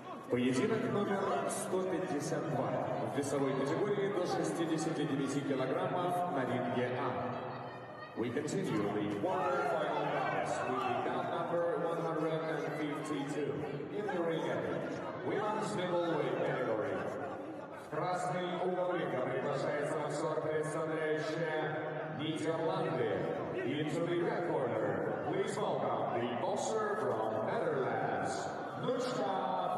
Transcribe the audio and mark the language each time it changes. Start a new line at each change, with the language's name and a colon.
Russian: Поединок номер 152 в весовой категории до 69 килограммов на ринге А.
English: We continue the quarterfinal match with bout number 152 in the ring A. Women's middleweight category.
Russian: В красный угол ринга приглашается боксер, представляющий Нидерланды.
English: Into the red corner, please welcome the boxer from Netherlands, Nushka.